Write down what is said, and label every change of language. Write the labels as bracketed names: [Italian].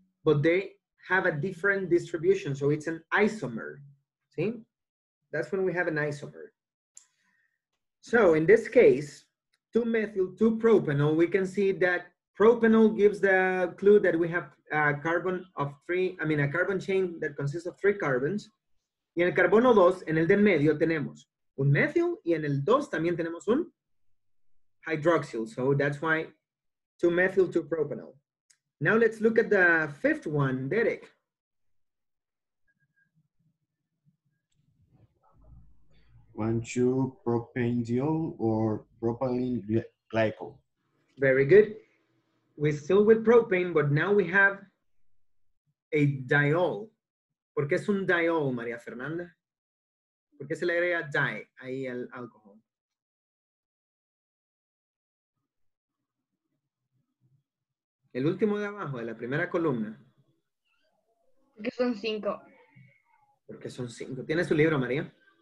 [English] But they have a different distribution, so it's an isomer. See? That's when we have an isomer. So in this case, 2-methyl-2-propanol, we can see that propanol gives the clue that we have a carbon chain that consists of three carbons. [Spanish] Y en el carbono 2, en el del medio, tenemos un methyl, y en el 2 también tenemos un hydroxyl. [English] So that's why 2-methyl-2-propanol. Now let's look at the fifth one, Derek. Propanediol or propylene glycol. Very good. We're still with propane, but now we have a diol. [Spanish] ¿Por qué es un diol, María Fernanda? ¿Por qué se le agrega di ahí al alcohol? El último de abajo, de la primera columna. Porque son cinco. Porque son cinco. ¿Tienes su libro, María?